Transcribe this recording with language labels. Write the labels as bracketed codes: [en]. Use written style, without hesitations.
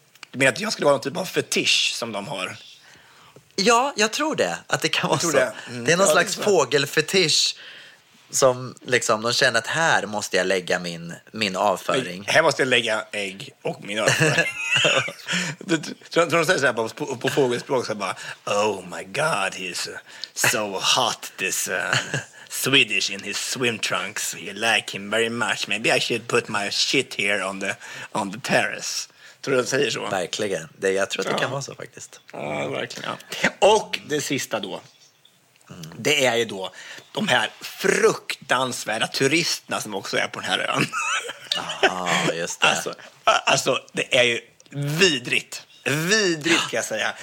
[sv] Du menar att jag skulle vara någon typ av fetisch som de har? Ja, jag tror det, att det kan vara så. Det. Det är någon slags fågelfetisch som liksom, de känner att här måste jag lägga min avföring. Här måste jag lägga ägg och min avföring. Tror du de säger såhär på fågelspråk så bara, [en] oh my god, he's so hot, this Swedish in his swim trunks, you like him very much, maybe I should put my shit here on the terrace. [sv] Tror du de säger så? Verkligen, det, jag tror att det kan vara så faktiskt. Ja, verkligen, ja. Och det sista då, det är ju då de här fruktansvärda turisterna som också är på den här ön. Ja, just det. Alltså, det är ju vidrigt. Vidrigt kan jag säga.